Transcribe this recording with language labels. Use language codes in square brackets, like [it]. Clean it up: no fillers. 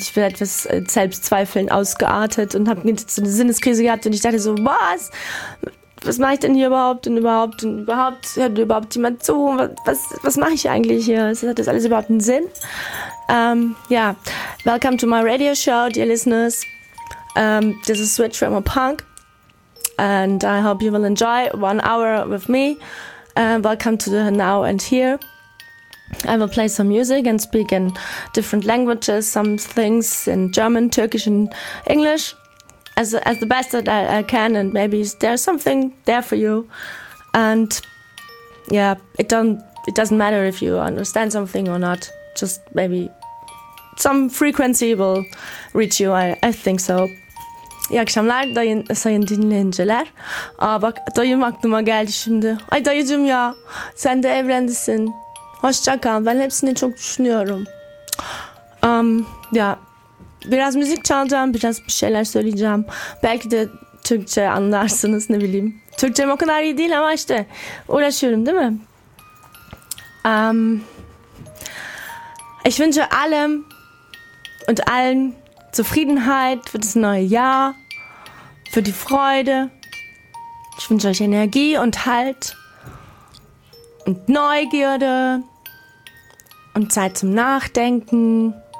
[de] Ich bin etwas Selbstzweifeln ausgeartet und habe so eine Sinneskrise gehabt. Und ich dachte so, was? Was mache ich denn hier überhaupt und überhaupt und überhaupt? Hört überhaupt jemand zu? Was mache ich eigentlich hier? Hat das alles überhaupt einen Sinn? [en] Ja, welcome to my radio show, dear listeners. This is Switch from a Punk. And I hope you will enjoy 1 hour with me. Welcome to the now and here. I will play some music and speak in different languages, some things in German, Turkish and English. As the best that I can, and maybe there's something there for you. And yeah, it doesn't matter if you understand something or not, just maybe some frequency will reach you. I think so. [tr] İyi akşamlar sayın dinleyiciler. Aa bak, dayım aklıma geldi şimdi. Ay dayıcım ya, sen de evrendesin. Hoşça kal, ben hepsini çok düşünüyorum. Yeah. Biraz müzik çalacağım, biraz bir şeyler söyleyeceğim. Belki de Türkçe anlarsınız, ne bileyim. Türkçem o kadar iyi değil ama işte uğraşıyorum, değil mi? [de] Ich wünsche allem und allen Zufriedenheit für das neue Jahr, für die Freude. Ich wünsche euch Energie und Halt und Neugierde und Zeit zum Nachdenken.